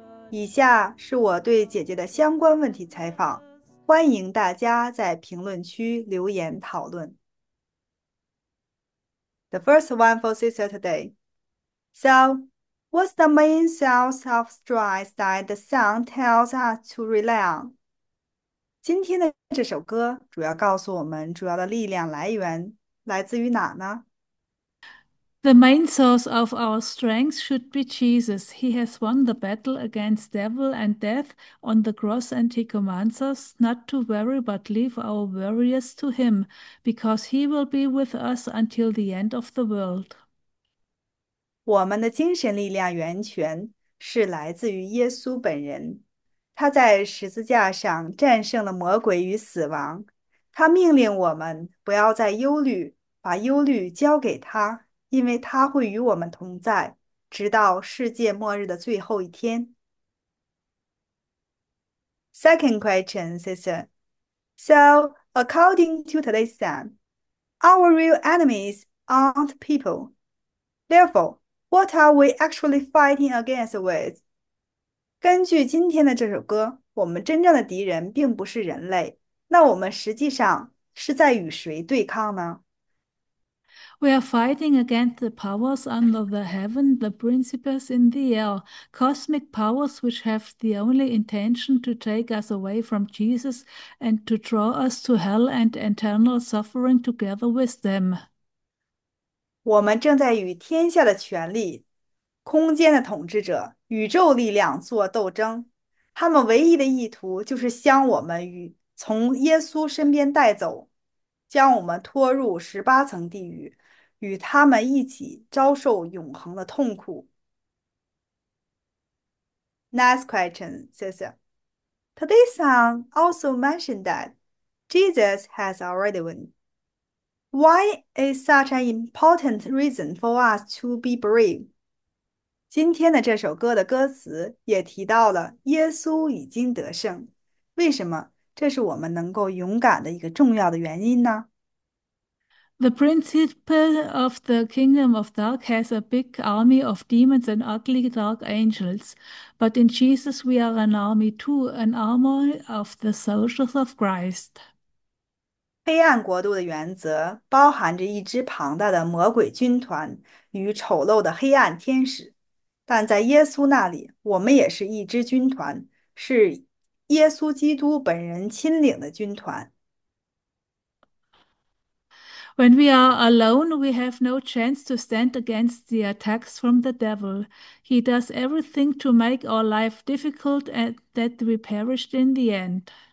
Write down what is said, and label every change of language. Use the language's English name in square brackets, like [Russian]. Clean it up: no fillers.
[Chinese] 以下是我对姐姐的相关问题采访，欢迎大家在评论区留言讨论。 [English] The first one for Sister today. So, what's the main source of stress that the song tells us to rely on? [Chinese] 今天的这首歌主要告诉我们主要的力量来源来自于哪呢？ [English] The main source of our strength should be Jesus. He has won the battle against devil and death on the cross, and he commands us not to worry but leave our worries to him, because he will be with us until the end of the world. [Chinese] 我们的精神力量源泉是来自于耶稣本人。他在十字架上战胜了魔鬼与死亡，他命令我们不要再忧虑，把忧虑交给他，因为他会与我们同在，直到世界末日的最后一天。 [English] Second question, sister. So, according to today's psalm, our real enemies aren't people. Therefore, what are we actually fighting against with? [Chinese] 根据今天的这首歌，我们真正的敌人并不是人类，那我们实际上是在与谁对抗呢？ [English] We are fighting against the powers under the heaven, the principles in the air, cosmic powers which have the only intention to take us away from Jesus and to draw us to hell and eternal suffering together with them. [Chinese] 我们正在与天下的权力、空间的统治者、宇宙力量做斗争，他们唯一的意图就是将我们与从耶稣身边带走，将我们拖入18层地狱，与他们一起遭受永恒的痛苦。 [English] Next question, sister. Today's song also mentioned that Jesus has already won. Why is such an important reason for us to be brave? [Chinese] 今天的这首歌的歌词也提到了耶稣已经得胜，为什么这是我们能够勇敢的一个重要的原因呢？ [English] The principal of the kingdom of dark has a big army of demons and ugly dark angels. But in Jesus we are an army too, an army of the soldiers of Christ. [Chinese] 黑暗国度的原则包含着一支庞大的魔鬼军团与丑陋的黑暗天使。但在耶稣那里，我们也是一支军团，是耶稣基督本人亲领的军团。 [English] When we are alone, we have no chance to stand against the attacks from the devil. He does everything to make our life difficult and that we perished in the end.